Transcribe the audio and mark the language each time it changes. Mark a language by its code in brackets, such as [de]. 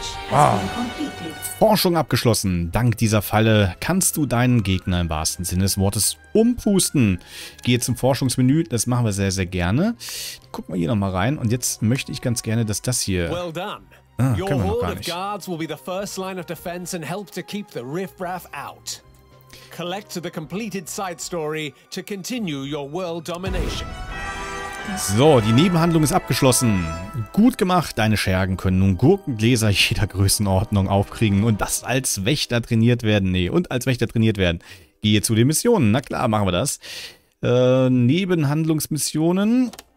[de] Ah. Forschung abgeschlossen. Dank dieser Falle kannst du deinen Gegner im wahrsten Sinne des Wortes umpusten. Gehe zum Forschungsmenü, das machen wir sehr, sehr gerne. Gucken wir hier nochmal rein und jetzt möchte ich ganz gerne, dass das hier... [en] Well done. [de] Ah, können wir noch gar nicht. [en] Your horde of guards will be the first line of defense and help to keep the riffraff out. Collect the completed side story to continue your world domination. [de] So, die Nebenhandlung ist abgeschlossen. Gut gemacht, deine Schergen können nun Gurkengläser jeder Größenordnung aufkriegen und das als Wächter trainiert werden. Nee, und als Wächter trainiert werden. Gehe zu den Missionen. Na klar, machen wir das. Nebenhandlungsmissionen.